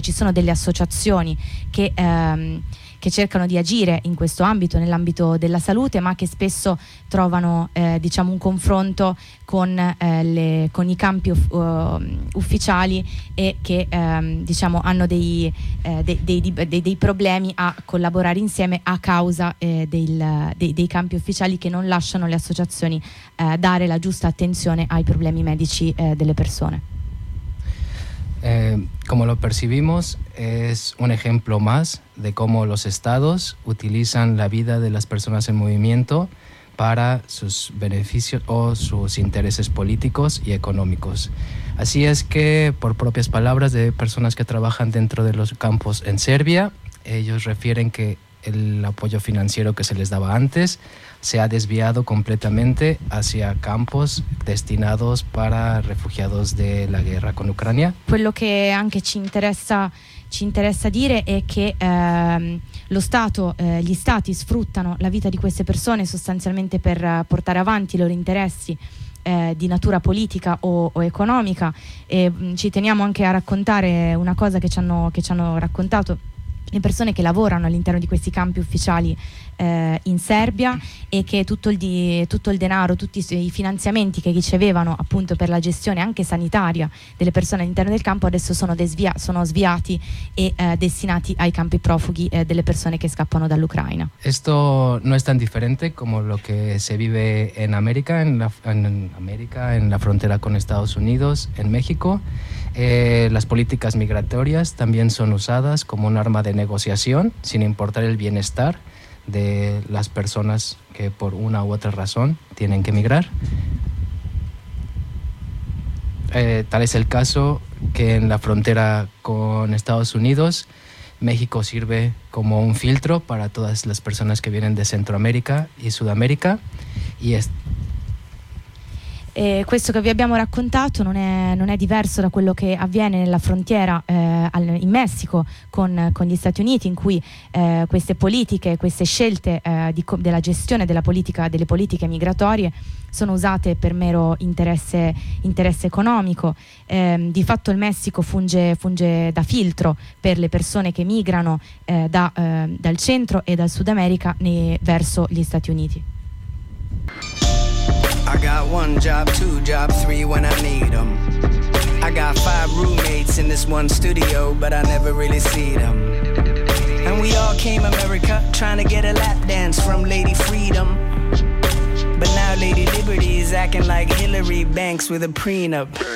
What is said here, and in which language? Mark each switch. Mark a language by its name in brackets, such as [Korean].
[Italian] Ci sono delle associazioni che cercano di agire in questo ambito, nell'ambito della salute, ma che spesso trovano diciamo un confronto con i campi ufficiali e che diciamo hanno dei problemi a collaborare insieme a causa dei campi ufficiali che non lasciano le associazioni dare la giusta attenzione ai problemi medici delle persone. [Spanish] Como lo percibimos, es un ejemplo más de cómo los estados utilizan la vida de las personas en movimiento para sus beneficios o sus intereses políticos y económicos. Así es que, por propias palabras de personas que trabajan dentro de los campos en Serbia, ellos refieren que el apoyo financiero que se les daba antes se ha desviado completamente hacia campos destinados para refugiados de la guerra con Ucrania. [Italian] Quello che anche ci interessa dire è che lo Stato, gli Stati sfruttano la vita di queste persone sostanzialmente per portare avanti i loro interessi di natura politica o economica. E ci teniamo anche a raccontare una cosa che ci hanno raccontato le persone che lavorano all'interno di questi campi ufficiali in Serbia, e che tutto il denaro, tutti i finanziamenti che ricevevano appunto per la gestione anche sanitaria delle persone all'interno del campo adesso sono sviati e destinati ai campi profughi delle persone che scappano dall'Ucraina. [Spanish] Esto no es tan diferente como lo que se vive en América, en la frontera con Estados Unidos, en México. Las políticas migratorias también son usadas como un arma de negociación, sin importar el bienestar de las personas que por una u otra razón tienen que migrar. Tal es el caso que en la frontera con Estados Unidos, México sirve como un filtro para todas las personas que vienen de Centroamérica y Sudamérica. [Italian] Questo che vi abbiamo raccontato non è diverso da quello che avviene nella frontiera in Messico con gli Stati Uniti, in cui queste politiche, queste scelte della gestione delle politiche migratorie sono usate per mero interesse economico. Di fatto il Messico funge da filtro per le persone che migrano dal centro e dal Sud America verso gli Stati Uniti. [English] I got one job, two jobs, three when I need them. I got five roommates in this one studio, but I never really see them. And we all came America trying to get a lap dance from Lady Freedom. But now Lady Liberty is acting like Hillary Banks with a prenup.